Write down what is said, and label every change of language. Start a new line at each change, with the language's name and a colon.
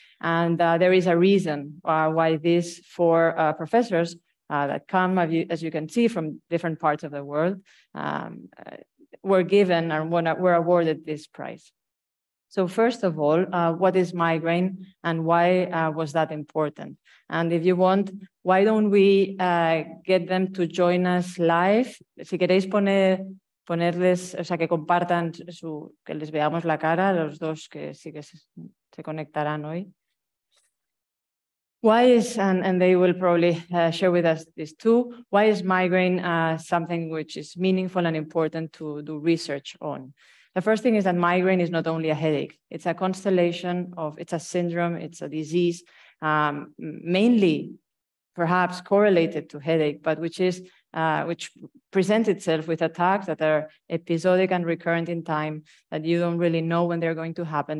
English: And there is a reason why these four professors that come, as you can see, from different parts of the world, were given and were awarded this prize. So first of all, what is migraine and why was that important? And if you want, why don't we get them to join us live?
Spanish: Si queréis ponerles, o sea, que compartan su, que les veamos la cara, los dos que sí que se conectarán hoy.
English: Why is, and they will probably share with us this too, why is migraine something which is meaningful and important to do research on? The first thing is that migraine is not only a headache. It's a constellation of, it's a syndrome, it's a disease, mainly perhaps correlated to headache, but which is which presents itself with attacks that are episodic and recurrent in time, that you don't really know when they're going to happen.